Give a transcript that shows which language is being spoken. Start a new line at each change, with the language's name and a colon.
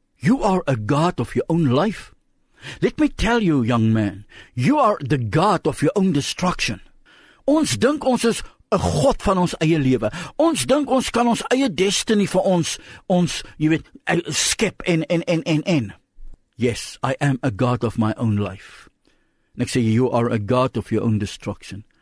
English: You are a God of your own life? Let me tell you, young man, you are the God of your own destruction.
Afrikaans: Ons dink ons is 'n God van ons eie lewe. Ons dink ons kan ons eie destiny vir ons, jy weet, skep en.
English: Yes, I am a God of my own life.
Afrikaans: En ek sê,
English: you are a God of your own destruction.